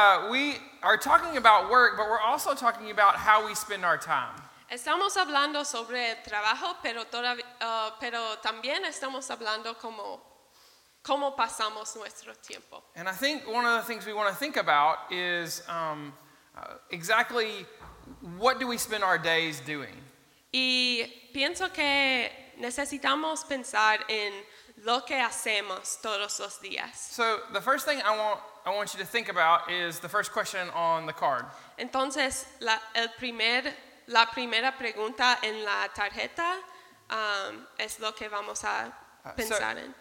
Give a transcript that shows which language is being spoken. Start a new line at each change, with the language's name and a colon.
English: We are talking about work, but we're also talking about how we spend our time.
Spanish: Estamos hablando sobre el trabajo, pero también estamos hablando cómo pasamos nuestro tiempo.
English: And I think one of the things we want to think about is exactly what do we spend our days doing?
Spanish: Y pienso que necesitamos pensar en lo que hacemos todos los días.
English: So the first thing I want you to think about is the first question on the card.
Spanish: Entonces, la primera pregunta en la tarjeta es lo que vamos a pensar en.